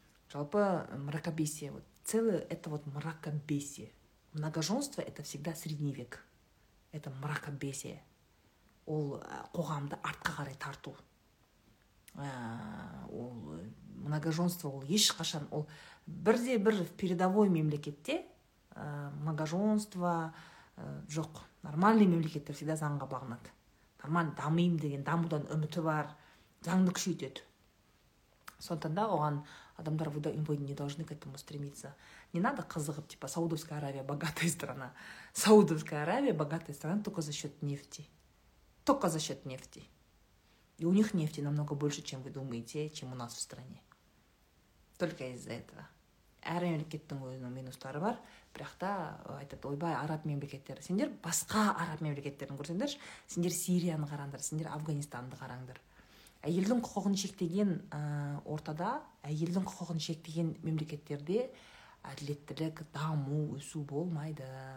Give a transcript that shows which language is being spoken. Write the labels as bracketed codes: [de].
[ru] Жалпы мракобесие, целы это вот мракобесие. Многоженство это всегда средний век. Это мракобесие. [kk] Ол қоғамды артқа қарай тарту. Ол многоженство ол ешқашан ол бірде бір передовой мемлекетте многоженство жоқ. Нормальный мемлекеттер всегда заңға бағынады. Нормально дамыйым деген дамудан үміті бар, заңды күшейтеді. Сондықтан да оған адамдар [ru] вы не должны к этому стремиться. Не надо қызығып типа Саудовская Аравия богатая страна. Саудовская Аравия богатая страна только за счет нефти. Только за счет нефти. И у них нефти намного больше, чем вы думаете, чем у нас в стране. Только из-за этого. [kk] Әр мемлекеттің өзінің минустары бар, бірақ та айтады, ойбай, араб мемлекеттері, сендер басқа араб мемлекеттерін көрсеңдерші, сендер Сирияны қараңдар, сендер Афганистанды қараңдар. Әйелдің құқығын шектеген ортада, әйелдің құқығын шектеген мемлекеттерде әділеттілік, даму, өсу болмайды.